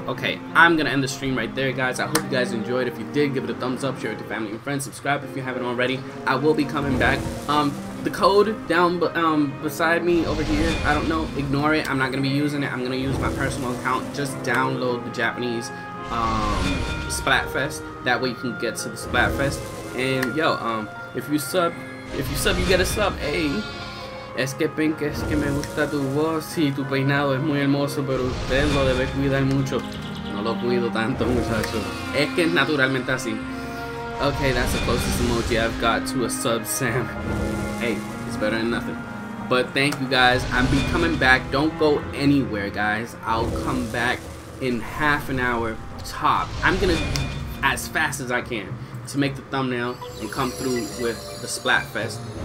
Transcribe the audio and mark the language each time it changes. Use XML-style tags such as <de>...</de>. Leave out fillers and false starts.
<en>Okay, I'm gonna end the stream right there, guys. I hope you guys enjoyed. If you did, give it a thumbs up, share it to family and friends, subscribe if you haven't already. I will be coming back. The code down beside me over here, I don't know, ignore it. I'm not gonna be using it. I'm gonna use my personal account. Just download the Japanese Splatfest. That way you can get to the Splatfest. And yo, if you sub, you get a sub, hey.</en> <es>Es que Pink, es que me gusta tu voz y tu peinado es muy hermoso, pero usted lo debe cuidar mucho. No lo cuido tanto, muchacho. Es que naturalmente así.</es> <en>Okay, that's the closest emoji I've got to a sub, Sam. Hey, it's better than nothing. But thank you guys. I'll be coming back. Don't go anywhere, guys. I'll come back in half an hour top. I'm gonna as fast as I can to make the thumbnail and come through with the Splatfest.</en>